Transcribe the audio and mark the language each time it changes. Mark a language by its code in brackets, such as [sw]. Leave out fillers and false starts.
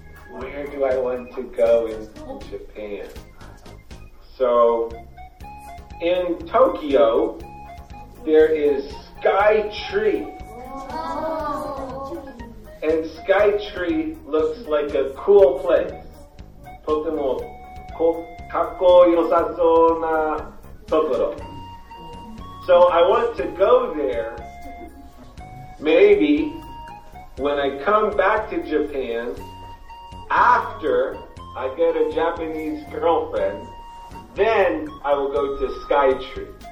[en] Where do I want to go in Japan? So... In Tokyo, there is sky tree. And sky tree looks like a cool place. [ja] とてもかっこよさそうなところ。 [en] So I want to go there. Maybe when I come back to Japan, after I get a Japanese girlfriend, then I will go to sky tree.